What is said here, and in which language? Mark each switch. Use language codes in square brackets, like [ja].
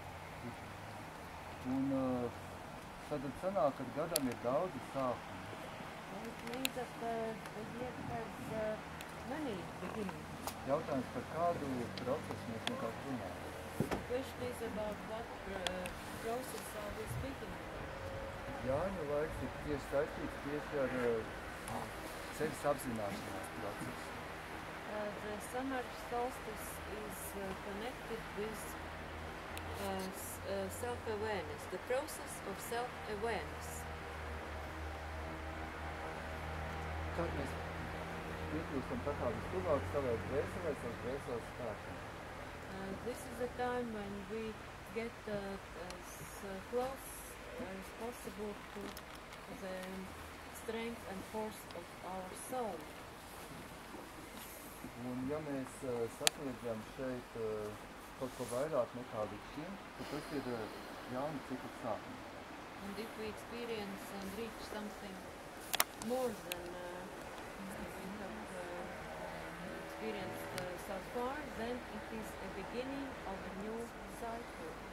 [lv] un tad sanāk, ka gadam ir daudzi sākumi. Jautājums par kādu procesu mēs nekāds runājam. Jāņu laiks ir tieši saistīts tieši ar sevis apzināšanās procesu. [en] The summer solstice is connected with self-awareness, the process of self-awareness. [lv] Kad mēs piekļūstam tā kā vispilnāk savai dvēselē, savas dvēseles stāstam? [en] This is the time when we get as close as possible to the strength and force of our soul. [lv] Un ja mēs sasniedzam šeit kaut ko vairāk nekā līdz šim, tad tas ir jauna cikla sākuma. [en] And if we experience and reach something more than we have experienced so far, then it is a beginning of a new cycle.